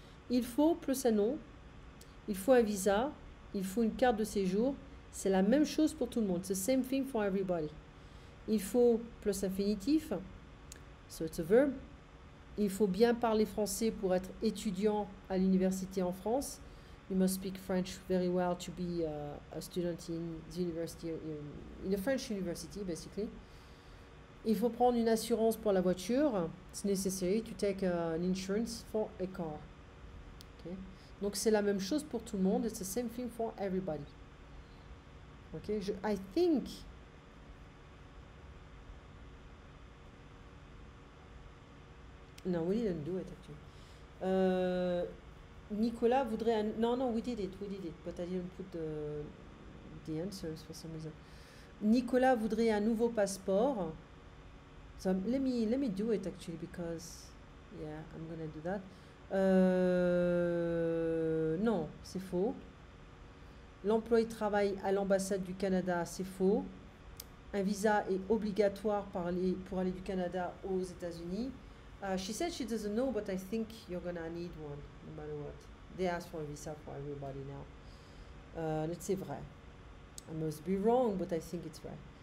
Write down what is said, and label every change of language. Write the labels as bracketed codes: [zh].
[fr] Il faut plus un nom. Il faut un visa. Il faut une carte de séjour. C'est la même chose pour tout le monde. [en] It's the same thing for everybody. [fr] Il faut plus infinitif. [en] So it's a verb. [fr] Il faut bien parler français pour être étudiant à l'université en France. [en] You must speak French very well to be a student in the university, in a French university, basically. [fr] Il faut prendre une assurance pour la voiture. [en] It's necessary to take an insurance for a car. Okay. [fr] Donc c'est la même chose pour tout le monde. [en] It's the same thing for everybody. Okay. I think. No, we didn't do it actually. [fr] Nicolas voudrait un. Non, non, [en] we did it, but I didn't put the answers for some reason. [fr] Nicolas voudrait un nouveau passeport. [en] So let me do it actually because yeah, I'm gonna do that. [fr] Non, c'est faux. L'employé travaille à l'ambassade du Canada, c'est faux. Un visa est obligatoire pour aller du Canada aux États-Unis. [en] She said she doesn't know, but I think you're gonna need one, no matter what. They ask for a visa for everybody now. [fr] C'est vrai. [en] I must be wrong, but I think it's right.